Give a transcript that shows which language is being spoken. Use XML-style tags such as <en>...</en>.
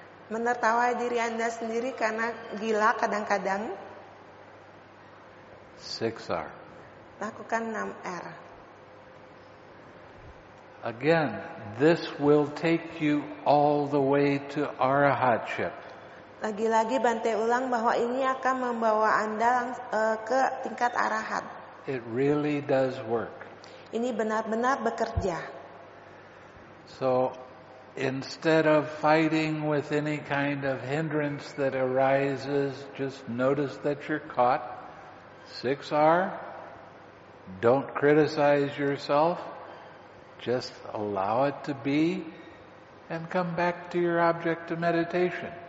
<id>Menertawai diri Anda sendiri karena gila kadang-kadang. 6R. Lakukan 6R.</id> <en>Again, this will take you all the way to arahatship.</en> <id>Lagi-lagi bantai ulang bahwa ini akan membawa Anda ke tingkat arahat.</id> <en>It really does work.</en> <id>Ini benar-benar bekerja.</id> <en>So, instead of fighting with any kind of hindrance that arises, just notice that you're caught. 6R. Don't criticize yourself. Just allow it to be and come back to your object of meditation.</en>